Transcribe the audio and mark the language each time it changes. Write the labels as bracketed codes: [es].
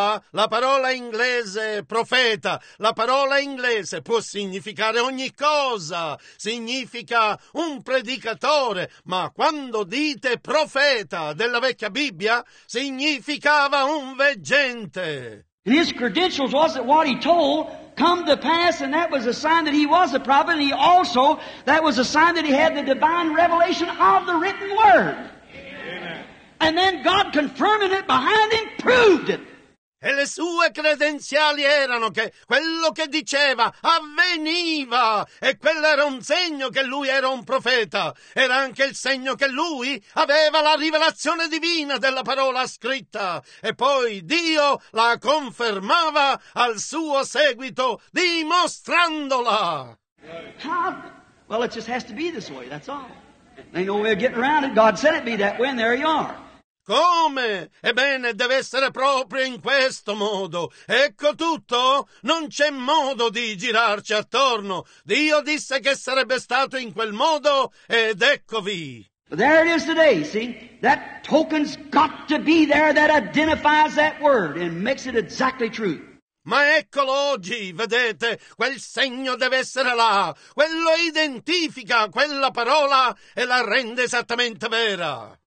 [it] La parola inglese profeta, la parola inglese può significare ogni cosa, significa un predicatore, ma quando dite profeta della vecchia Bibbia, significava un veggente. [en] And his credentials was that what he told come to pass, and that was a sign that he was a prophet, and he also, that was a sign that he had the divine revelation of the written word. And then God confirming it behind him proved it. [it] E le sue credenziali erano che quello che diceva avveniva. E quello era un segno che lui era un profeta. Era anche il segno che lui aveva la rivelazione divina della parola scritta. E poi Dio la confermava al suo seguito, dimostrandola. [en] How? Well, it just has to be this way, that's all. Ain't no way of getting around it. God said it be that way, and there you are. [it] Come? Ebbene, deve essere proprio in questo modo. Ecco tutto. Non c'è modo di girarci attorno. Dio disse che sarebbe stato in quel modo, ed eccovi. [en] There it is today, see? That token's got to be there that identifies that word and makes it exactly true. [it] Ma eccolo oggi, vedete, quel segno deve essere là. Quello identifica quella parola e la rende esattamente vera.